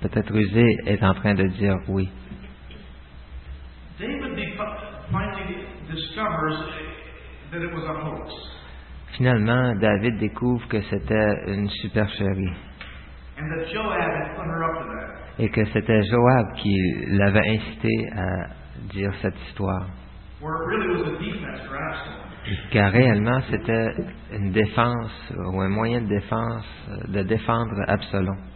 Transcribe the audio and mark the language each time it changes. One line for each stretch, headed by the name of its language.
French: Peut-être rusée, est en train de dire oui.
English: David finally discovers that it was a hoax.
French: Finalement, David découvre que c'était une supercherie.
English: And that Joab had put her up to that.
French: Et que c'était Joab qui l'avait incité à dire cette histoire.
English: Where it really was a defense for Absalom.
French: Car réellement, c'était une défense ou un moyen de défense de défendre Absalom.